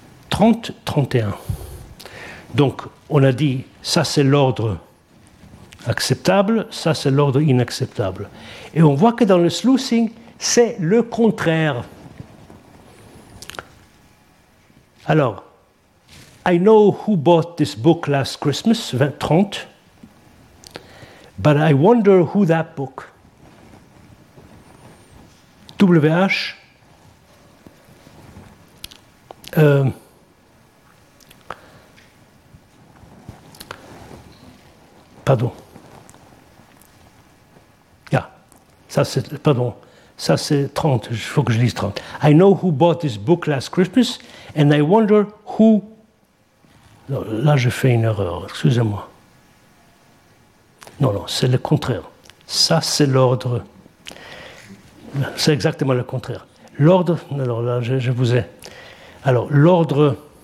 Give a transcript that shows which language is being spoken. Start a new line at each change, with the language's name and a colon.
French: 30-31. Donc, on a dit, ça c'est l'ordre acceptable, ça c'est l'ordre inacceptable. Et on voit que dans le sluicing, c'est le contraire.
English: Alors, I know who bought this book last Christmas, 20-30, but I wonder who that book. WH.
French: Pardon. Yeah. Ça c'est 30, il faut que je lise 30.
English: I know who bought this book last Christmas and I wonder who.
French: Non, là je fais une erreur, excusez-moi. Non, c'est le contraire. Ça c'est l'ordre. C'est exactement le contraire. L'ordre, alors là je vous ai. Alors l'ordre.